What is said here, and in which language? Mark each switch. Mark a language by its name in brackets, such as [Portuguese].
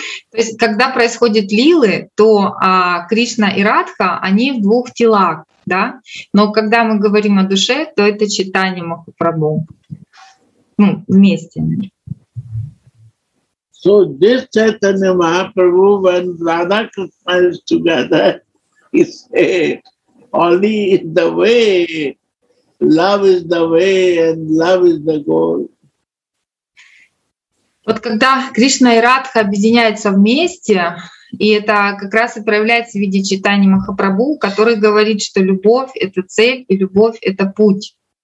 [Russian] То есть, когда происходят лилы, то Кришна и Радха, они в двух телах, да? Но когда мы говорим о душе, то это Чайтанья Махапрабху. Ну, вместе. [English] So this Chaitanya Mahaprabhu, when Radha Krishna is together, he said, only in the way, love is the way and love is the goal. [Russian] Вот когда Кришна и Радха объединяются вместе, и это как раз и проявляется в виде Чайтаньи Махапрабху, который говорит, что любовь — это цель, и любовь — это путь.